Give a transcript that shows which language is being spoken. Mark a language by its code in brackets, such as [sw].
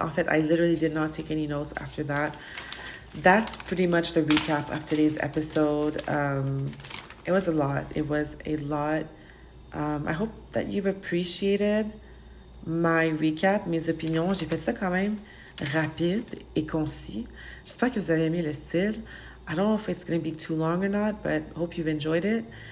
[fr] En fait, [en] I literally did not take any notes after that. That's pretty much the recap of today's episode. It was a lot. It was a lot. I hope that you've appreciated my recap, [fr] mes opinions. J'ai fait ça quand même rapide et concis. J'espère que vous avez aimé le style. [en] I don't know if it's going to be too long or not, but hope you've enjoyed it.